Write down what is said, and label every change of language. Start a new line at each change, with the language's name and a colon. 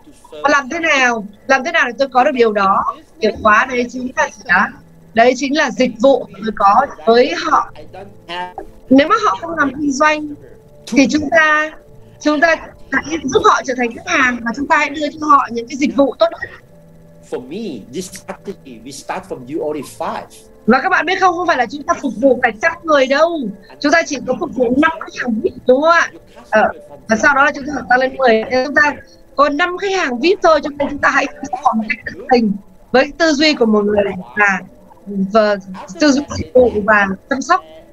Vietnamese: Và làm thế nào để tôi có được điều đó? Điều quá đấy chính là gì đó? Đấy chính là dịch vụ tôi có với họ. Nếu mà họ không làm kinh doanh thì chúng ta hãy giúp họ trở thành khách hàng và chúng ta hãy đưa cho họ những cái dịch vụ tốt hơn.
English: For me, this strategy we start from you only 5.
Vietnamese: Và các bạn biết không, không phải là chúng ta phục vụ cả trăm người đâu. Chúng ta chỉ có phục vụ 5 khách hàng VIP, đúng không ạ? Và sau đó là chúng ta tăng lên 10. Nên chúng ta còn 5 khách hàng VIP thôi, cho nên chúng ta hãy giúp họ một cách tận tình với tư duy của một người là và tư duy dịch vụ và chăm sóc.